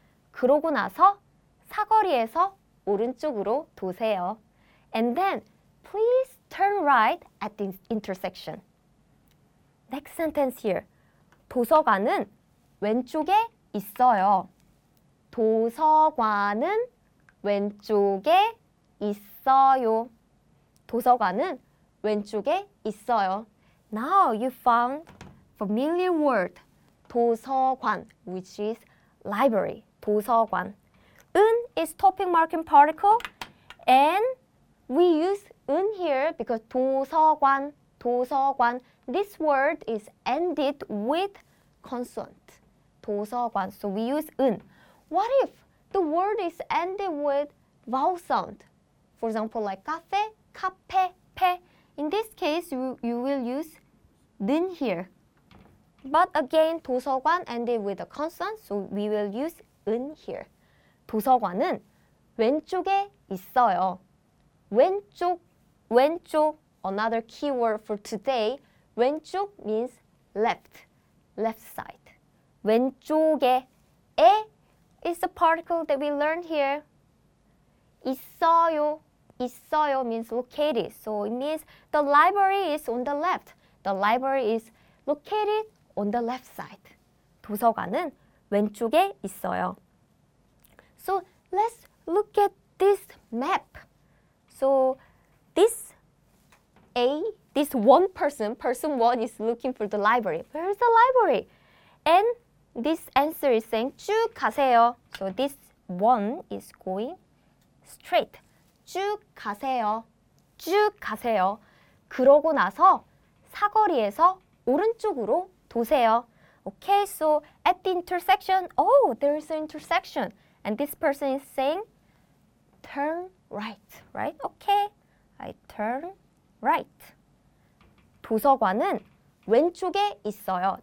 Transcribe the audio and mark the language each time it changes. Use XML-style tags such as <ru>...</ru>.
<ko>그러고 나서 사거리에서 오른쪽으로 도세요.</ko> <en>And then, please turn right at the intersection. Next sentence here.</en> <ko>도서관은 왼쪽에 있어요. 도서관은 왼쪽에 있어요. 도서관은 왼쪽에 있어요.</ko> <en>Now you found familiar word 도서관, which is library. 도서관. 은 is topic marking particle and we use 은 here because 도서관, 도서관. This word is ended with consonant. 도서관. So we use 은. What if the word is ended with vowel sound? For example, like 카페, 카페, 페. In this case, you will use 는 here. But again, 도서관 ended with a consonant, so we will use 은 here.</en> <ko>도서관은 왼쪽에 있어요.</ko> <en>왼쪽, 왼쪽. Another keyword for today. 왼쪽 means left, left side. 왼쪽에, 에 is the particle that we learned here. 있어요, 있어요 means located. So it means the library is on the left. The library is located on the left side.</en> <ko>도서관은 왼쪽에 있어요.</ko> <en>So let's look at this map. So this A, this one person, person one is looking for the library. Where is the library? And this answer is saying</en> <ko>쭉 가세요.</ko> <en>So this one is going straight.</en> <ko>쭉 가세요. 쭉 가세요. 그러고 나서 사거리에서 오른쪽으로 도세요.</ko> <en>Okay, so at the intersection, oh, there is an intersection. And this person is saying, turn right, right? Okay, I turn right.</en> <ko>도서관은 왼쪽에 있어요.</ko>